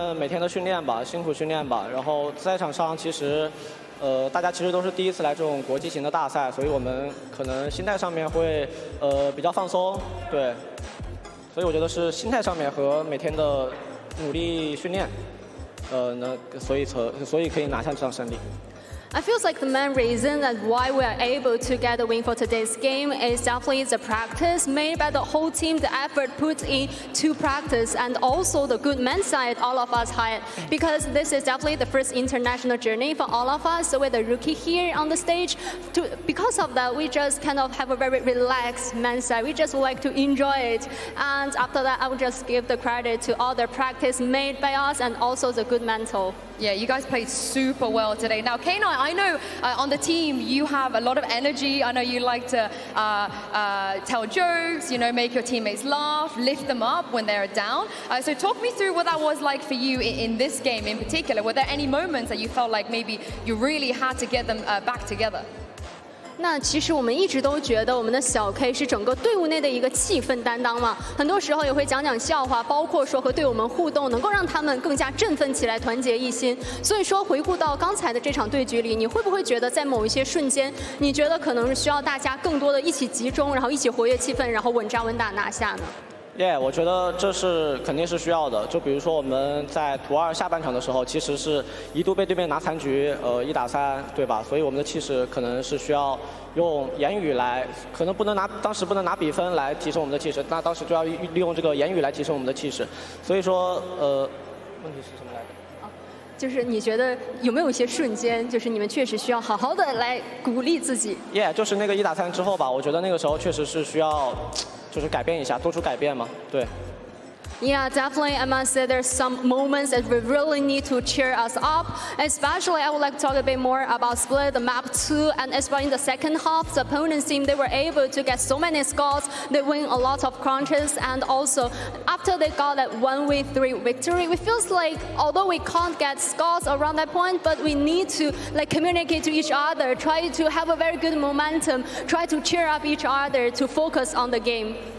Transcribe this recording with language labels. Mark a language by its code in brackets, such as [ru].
[zh] 那首先恭喜你们非常漂亮拿下今天比赛的胜利，也是个很好的开门红。其实呢，有很多人可能不看好你们，但是你们完成了是以下课上成功拿下了比赛。所以说，你觉得你们为什么能够获胜？你觉得你们是怎么来计划整个游戏的？首先第一个问题就是我们为什么会获胜吧？我觉得这离不开队员们每天的训练吧，辛苦训练吧。然后在场上其实。大家其实都是第一次来这种国际型的大赛，所以我们可能心态上面会比较放松，对。所以我觉得是心态上面和每天的努力训练，那所以可以拿下这场胜利。 [en] I feel like the main reason that why we are able to get the win for today's game is definitely the practice made by the whole team, the effort put in to practice, and also the good men side all of us had, because this is definitely the first international journey for all of us. So with the rookie here on the stage, because of that, we just kind of have a very relaxed men side. We just like to enjoy it. And after that, I will just give the credit to all the practice made by us and also the good mental. Yeah, you guys played super well today. Now, K9, I know on the team you have a lot of energy. I know you like to tell jokes, you know, make your teammates laugh, lift them up when they're down. So talk me through what that was like for you in this game in particular. Were there any moments that you felt like maybe you really had to get them back together? [zh] 那其实我们一直都觉得我们的小 K 是整个队伍内的一个气氛担当嘛，很多时候也会讲讲笑话，包括说和队友们互动，能够让他们更加振奋起来，团结一心。所以说，回顾到刚才的这场对局里，你会不会觉得在某一些瞬间，你觉得可能需要大家更多的一起集中，然后一起活跃气氛，然后稳扎稳打拿下呢？ Yeah, 我觉得这是肯定是需要的。就比如说我们在图二下半场的时候，其实是一度被对面拿残局，一打三，对吧？所以我们的气势可能是需要用言语来，可能不能拿，当时不能拿比分来提升我们的气势。那当时就要利用这个言语来提升我们的气势。所以说，问题是什么来着？就是你觉得有没有一些瞬间，就是你们确实需要好好的来鼓励自己？Yeah， 就是那个一打三之后吧，我觉得那个时候确实是需要，就是改变一下，做出改变嘛，对。 [en] Yeah, definitely, I must say there's some moments that we really need to cheer us up. Especially, I would like to talk a bit more about Split, the map 2, and as well in the second half, the opponent's team, they were able to get so many scores, they win a lot of crunches, and also, after they got that 1v3 victory, it feels like, although we can't get scores around that point, but we need to like communicate to each other, try to have a very good momentum, try to cheer up each other to focus on the game.